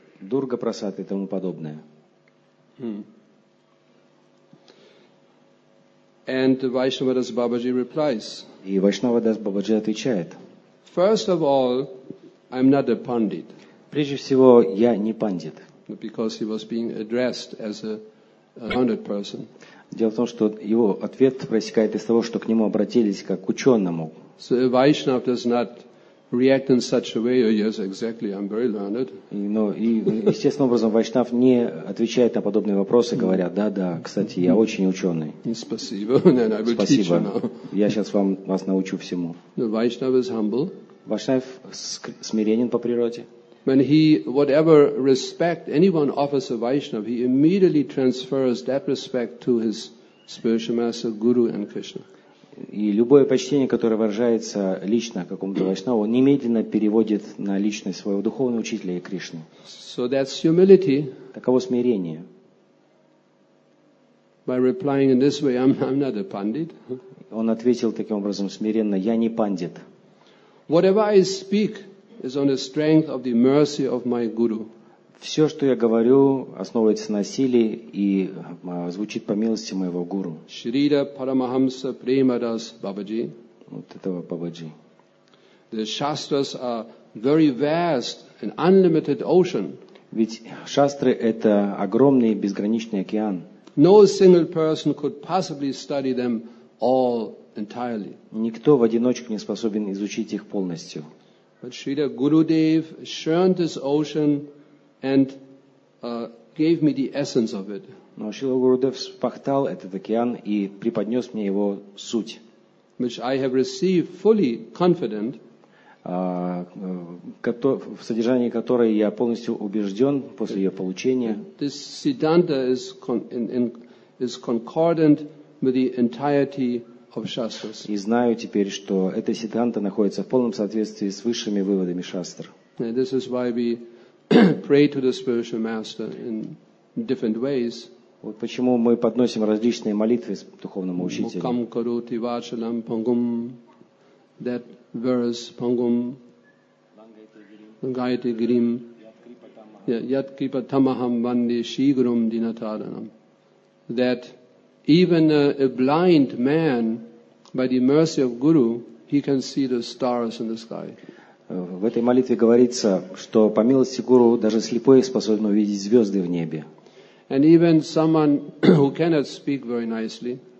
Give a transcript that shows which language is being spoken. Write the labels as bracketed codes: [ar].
[ru] Дурга Прасад и тому подобное. [en] And Vaishnava Das Babaji replies. [ru] И Вайшнава Дас Бабаджи отвечает. [en] First of all, I'm not a pandit. [ru] Прежде всего, я не пандит. [en] Because he was being addressed as a learned person. [ru] Дело в том, что его ответ проистекает из того, что к нему обратились как к ученому. [en] So a Vaishnava does not react in such a way, oh yes, exactly, I'm very learned. [ru] Но и естественным образом Вайшнав не отвечает на подобные вопросы, говоря, да, да, кстати, я очень ученый. Спасибо. Спасибо. Я сейчас вас научу всему. [en] Вайшнав is humble. [ru] Вайшнав смиренен по природе. [en] When he, whatever respect anyone offers a Vaishnava, he immediately transfers that respect to his spiritual master, Guru and Krishna. [ru] И любое почтение, которое выражается лично какому-то вайшнаву, немедленно переводит на личность своего духовного учителя и Кришны. [en] So that's humility. [ru] Таково смирение. [en] By replying in this way, I'm not a pandit. [ru] Он ответил таким образом смиренно, я не пандит. [en] Whatever I speak is on the strength of the mercy of my guru. [ru] Все, что я говорю, основывается на силе и звучит по милости моего гуру. Шрида Парамахамса Премадас Бабаджи. Вот этого Бабаджи. [en] The shastras are very vast and unlimited ocean. [ru] Ведь шастры – это огромный безграничный океан. [en] No single person could possibly study them all entirely. [ru] Никто в одиночку не способен изучить их полностью. [en] But Шрида Гурудев churned this ocean and gave me the essence of it. [ru] Но Шрила Гурудев вспахтал этот океан и преподнес мне его суть. [en] Which I have received fully confident. [ru] В содержании которой я полностью убежден после ее получения. [en] This Siddhanta is concordant with the entirety of Shastras. [ru] И знаю теперь, что эта Siddhanta находится в полном соответствии с высшими выводами Шастр. [en] And this is why we pray to the spiritual master in different ways. [ru] Вот почему мы подносим различные молитвы духовному учителю. [sa] Мукам каруты вачалам пангум. [en] That verse [sa] пангум. Гайте грим. Яд крипа тамахам ванди шигрум динатаранам. [en] That even a blind man, by the mercy of Guru, he can see the stars in the sky. [ru] В этой молитве говорится, что по милости Гуру даже слепой способен увидеть звезды в небе. [en] And even someone who cannot speak very nicely,